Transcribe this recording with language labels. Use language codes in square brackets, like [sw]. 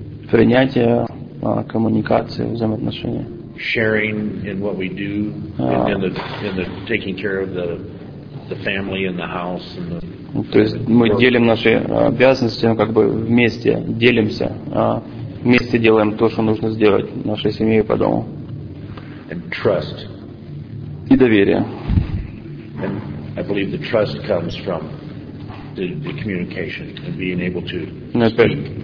[ru] принятие, коммуникации, взаимоотношения, [en] sharing in what we do, in the taking care of the family and the house and the. [ru] То есть мы делим наши обязанности, мы вместе делимся, вместе делаем то, что нужно сделать нашей семье и по дому. [en] And trust. [ru] И доверие. [en] And I believe the trust comes from the communication and being able to speak.